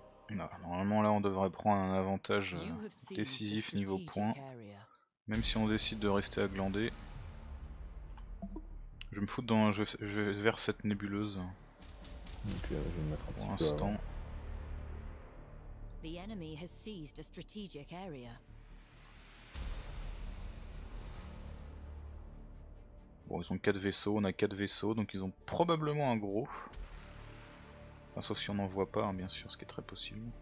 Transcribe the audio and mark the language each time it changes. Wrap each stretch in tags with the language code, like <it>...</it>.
<fr>Normalement là on devrait prendre un avantage décisif niveau points. Même si on décide de rester à glander. Je vais me foutre dans je vais vers cette nébuleuse. Ok, je vais me mettre pour l'instant.</fr> <en>The enemy has seized a strategic area.</en> <fr>Bon, ils ont 4 vaisseaux, on a 4 vaisseaux, donc ils ont probablement un gros. Enfin, sauf si on n'en voit pas, hein, bien sûr, ce qui est très possible.</fr>